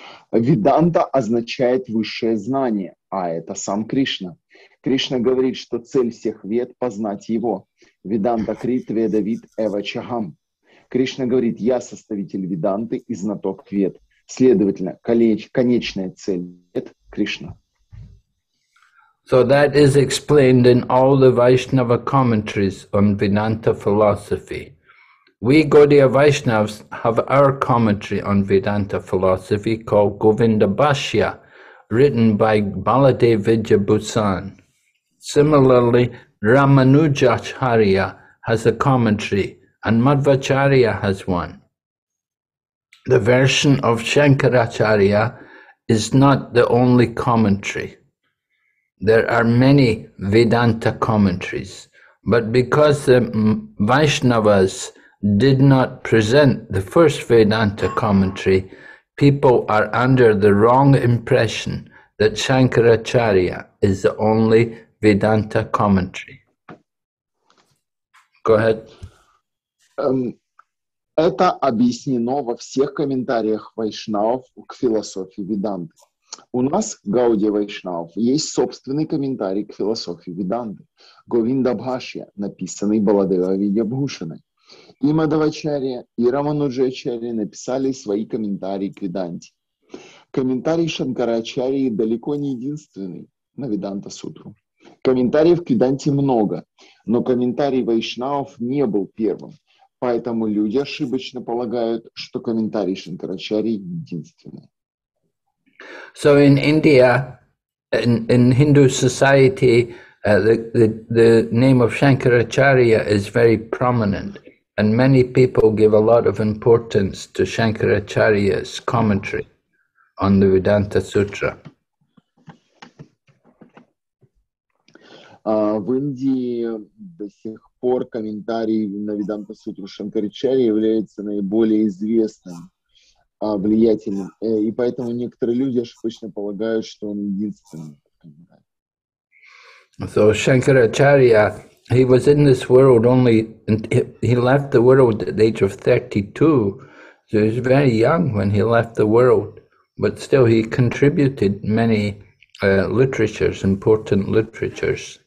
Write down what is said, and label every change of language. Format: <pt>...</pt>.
<ru>Веданта означает высшее знание, а это сам Кришна. Кришна говорит, что цель всех вед – познать его.</ru> <sa>Веданта крит ведавид эва чахам.</sa> <ru>Кришна говорит, я составитель Веданты и знаток вед. Следовательно, конечная цель – вед – Кришна.</ru> <en>So that is explained in all the Vaishnava commentaries on Vedanta philosophy. We Gaudiya Vaishnavas have our commentary on Vedanta philosophy called Govinda Bhashya, written by Baladev Vidyabhusan. Similarly, Ramanujacharya has a commentary and Madhvacharya has one. The version of Shankaracharya is not the only commentary. There are many Vedanta commentaries, but because the Vaishnavas did not present the first Vedanta commentary, people are under the wrong impression that Shankaracharya is the only Vedanta commentary. Go ahead.</en> <ru>Это объяснено во всех комментариях вайшнавов к философии Веданты. У нас, Гаудия Вайшнав, есть собственный комментарий к философии Веданты, Говинда Бхашья, написанный Баладева Видьябхушаной. И Мадхвачарья, и Рамануджачарья написали свои комментарии к Веданте. Комментарий Шанкарачарьи далеко не единственный на Веданта Сутру. Комментариев к Веданте много, но комментарий вайшнавов не был первым. Поэтому люди ошибочно полагают, что комментарий Шанкарачарьи единственный.</ru> <en>So in India, in Hindu society, the name of Shankaracharya is very prominent. And many people give a lot of importance to Shankaracharya's commentary on the Vedanta Sutra.</en> <ru>В Индии до сих пор комментарий на Веданта Сутру Шанкарачарьи является наиболее известным, влиятельным. И поэтому некоторые люди обычно полагают, что он единственный.</ru> <en>So Shankaracharya, he was in this world only, he left the world at the age of 32, so he was very young when he left the world, but still he contributed many literatures, important literatures.</en>